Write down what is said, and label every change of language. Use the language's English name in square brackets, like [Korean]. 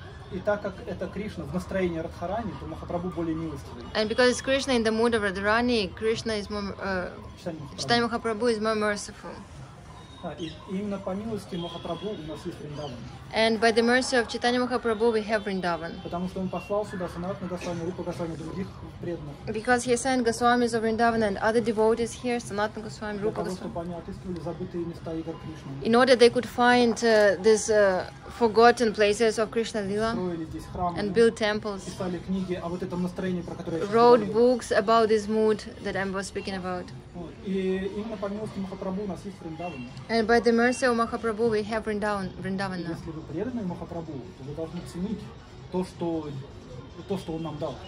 [Russian] И так как это Кришна в настроении Радхарани, то Махапрабху более милостивый. [English] And because it's Krishna in the mood of Radharani, Krishna is more читание Махапрабху is more merciful. [Russian] Да, и именно по милости Махапрабху у нас есть Вриндаван. [English] And by the mercy of Chaitanya Mahaprabhu, we have Vrindavan. [Russian] Потому что он послал сюда Санатана Госвами, Рупа Госвами, других преданных. [English] Because he sent Goswamis of Vrindavan and other devotees here, Санатана Госвами, Рупа Госвами. [Russian] Для того, чтобы они отыскивали забытые места игр Кришны. [English] In order they could find these forgotten places of Krishna Lila. [Russian] Строили здесь храмы. [English] And build temples. [Russian] Писали книги об вот этом настроении, про которое я сейчас говорю. [English] Wrote books about this mood that I was speaking about. [Russian] И именно по милости Махапрабху у нас есть Вриндаван. [English] And by the mercy of Mahaprabhu, we have Vrindavan now. [Russian] Если вы преданы Махапрабху, то вы должны ценить то, что он нам дал.